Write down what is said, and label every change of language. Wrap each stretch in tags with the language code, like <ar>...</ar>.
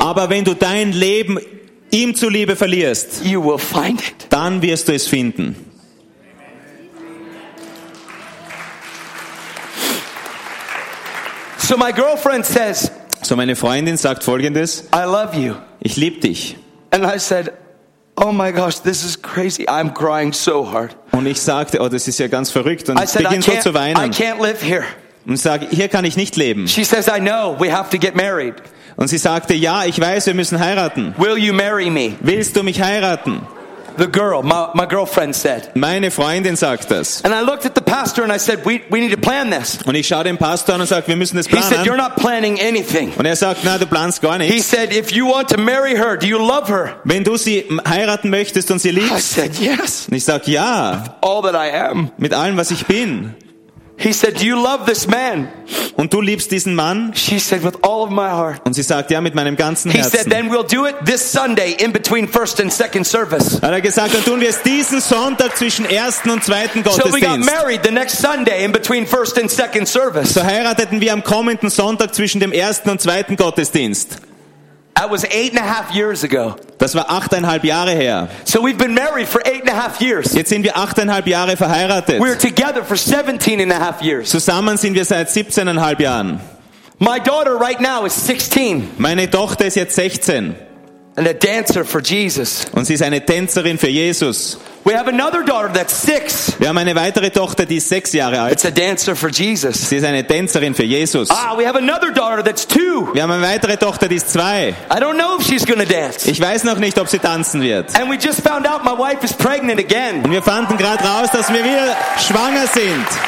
<de>aber wenn du dein Leben ihm zuliebe verlierst,</de> <en>you will find it.</en> <de>Dann wirst du es finden.</de> <en>So, my girlfriend says,</en> <de>so meine Freundin sagt Folgendes:</de> <en>I love you.</en> <de>Ich liebe dich.</de> <en>And I said, oh my gosh, this is crazy. I'm crying so hard.</en> <de>Und ich sagte, oh, das ist ja ganz verrückt. Und ich beginne so zu weinen.</de> <en>I can't live here.</en> <de>Und sage, hier kann ich nicht leben.</de> <en>She says, I know, we have to get married.</en> <de>Und sie sagte, ja, ich weiß, wir müssen heiraten.</de> <en>Will you marry me?</en> <de>Willst du mich heiraten?</de> <en>The girl, my girlfriend said.</en> <de>Meine Freundin sagt das.</de> <en>And I looked at the pastor and I said, we need to plan this.</en> <de>Und ich schaue den Pastor an und sage, wir müssen das planen.</de> <en>He said, you're not planning anything.</en> <de>Und er sagt, nein, du planst gar nichts.</de> <en>He said, if you want to marry her, do you love her?</en> <de>Wenn du sie heiraten möchtest und sie liebst.</de> <en>I said, yes.</en> <de>Und ich sage, ja.</de> <en>All that I am.</en> <de>Mit allem, was ich bin.</de> <en>He said, "Do you love this man?"</en> <de>Und du liebst diesen Mann?</de> <en>She said, "With all of my heart."</en> <de>Und sie sagt, ja, mit meinem ganzen Herzen.</de> <en>He said, "Then we'll do it this Sunday in between first and second service."</en> <de>Hat er gesagt, dann tun wir es diesen Sonntag zwischen ersten und zweiten Gottesdienst.</de> <en>So we got married the next Sunday in between first and second service.</en> <de>So heirateten wir am kommenden Sonntag zwischen dem ersten und zweiten Gottesdienst.</de> <en>That was 8.5 years ago.</en> <de>Das war 8.5 Jahre her.</de> <en>So we've been married for 8.5 years.</en> <de>Jetzt sind wir 8.5 Jahre verheiratet.</de> <en>We're together for 17.5 years.</en> <de>Zusammen sind wir seit 17.5 Jahren.</de> <en>My daughter right now is 16.</en> <de>Meine Tochter ist jetzt 16.</de> <en>And a dancer for Jesus.</en> <de>Und sie ist eine Tänzerin für Jesus.</de> <en>We have another daughter that's 6.</en> <de>Wir haben eine weitere Tochter, die ist 6 Jahre alt.</de> <en>It's a dancer for Jesus.</en> <de>Sie ist eine Tänzerin für Jesus.</de> <en>Ah, we have another daughter that's 2.</en> <de>Wir haben eine weitere Tochter, die ist 2.</de> <en>I don't know if she's gonna dance.</en> <de>Ich weiß noch nicht, ob sie tanzen wird.</de> <en>And we just found out my wife is pregnant again.</en> <de>Und wir fanden gerade raus, dass wir wieder schwanger sind.</de>